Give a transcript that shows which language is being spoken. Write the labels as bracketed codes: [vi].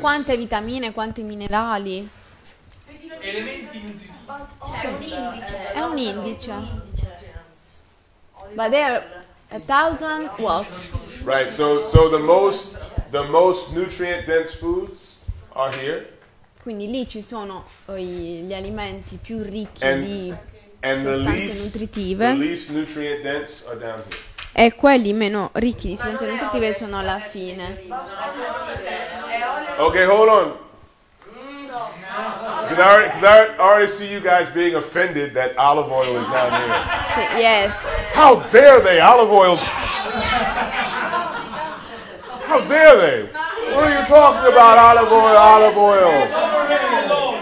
[it] Quante vitamine, quanti minerali? Elementi nutritivi. È un indice. [en] But there are a thousand what? Right. So the most nutrient dense foods are here. [it] Quindi lì ci sono gli alimenti più ricchi di sostanze nutritive. [en] The least nutrient dense are down here. [it] E quelli meno ricchi di sostanze nutritive sono alla fine. [en] Ok, hold on. Because I already see you guys being offended that olive oil is down here. So, yes. How dare they? Olive oil's... How dare they? What are you talking about, olive oil, olive oil?